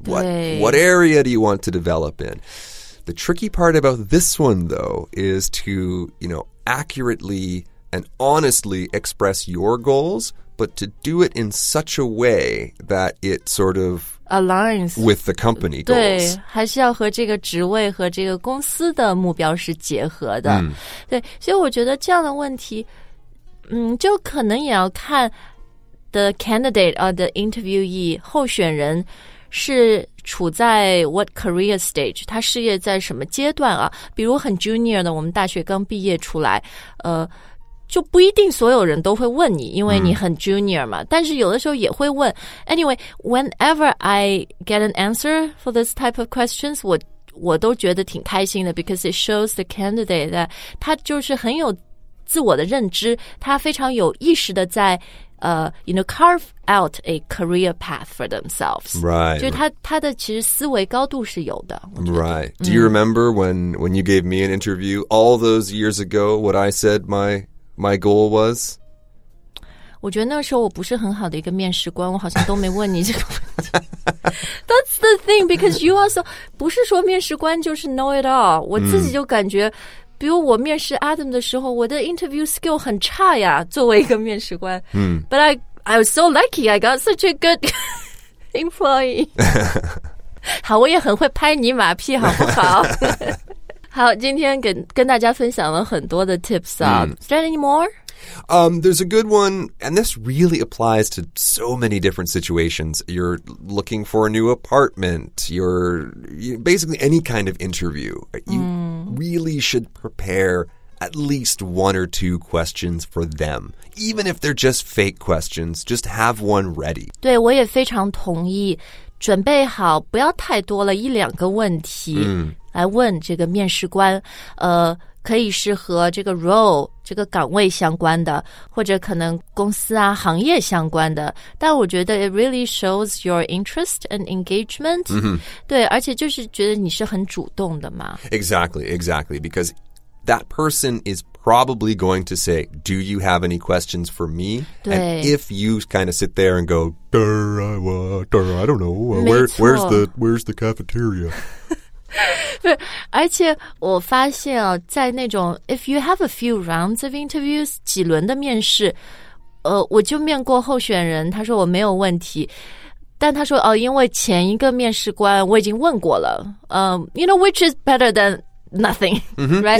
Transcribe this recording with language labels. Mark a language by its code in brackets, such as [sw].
[en] What area do you want to develop in? The tricky part about this one, though, is to, you know, accurately and honestly express your goals, but to do it in such a way that it sort of aligns with the company goals. [zh] 对，还是要和这个职位和这个公司的目标是结合的。嗯、对，所以我觉得这样的问题，就可能也要看 [en] The candidate or the interviewee, [zh] 候选人是处在 [en] what career stage, [zh] 他事业在什么阶段啊比如很 junior 的我们大学刚毕业出来就不一定所有人都会问你因为你很 junior 嘛、mm. 但是有的时候也会问 [en] Anyway, whenever I get an answer for this type of questions, [zh] 我都觉得挺开心的 [en] because it shows the candidate that [zh] 他就是很有自我的认知他非常有意识的在 [en] you know, carve out a career path for themselves. Right. [zh] 就他的其实思维高度是有的。 [en] Right. Do you remember when you gave me an interview all those years ago, what I said my goal was? [zh] 我觉得那时候我不是很好的一个面试官，我好像都没问你这个问题。 [en] That's the thing, because you also, [zh] 不是说面试官就是 [en] know it all, [zh] 我自己就感觉比如我面试 Adam 的时候我的 interview skill 很差呀作为一个面试官、 mm. [en] But I was so lucky I got such a good employee [zh] 好我也很会拍你马屁好不好好今天跟大家分享了很多的 tips、啊 mm. [en] Is there any more? There's a good one, and this really applies to so many different situations. You're looking for a new apartment, basically any kind of interview. You really should prepare at least one or two questions for them. Even if they're just fake questions, just have one ready. [zh] 对，我也非常同意，准备好，不要太多了，一两个问题来问这个面试官，可以是和这个 role 这个岗位相关的或者可能公司啊行业相关的但我觉得 [en] it really shows your interest and engagement、 mm-hmm. [zh] 对而且就是觉得你是很主动的嘛 [en] exactly because that person is probably going to say, do you have any questions for me? And if you kind of sit there and go, I don't know, where's the cafeteria? [zh] 而且我发现啊，在那种 [en] if you have a few rounds of interviews, [zh] 几轮的面试，我就面过候选人，他说我没有问题。但他说哦，因为前一个面试官我已经问过了， [en] you know, which is better than nothing, right?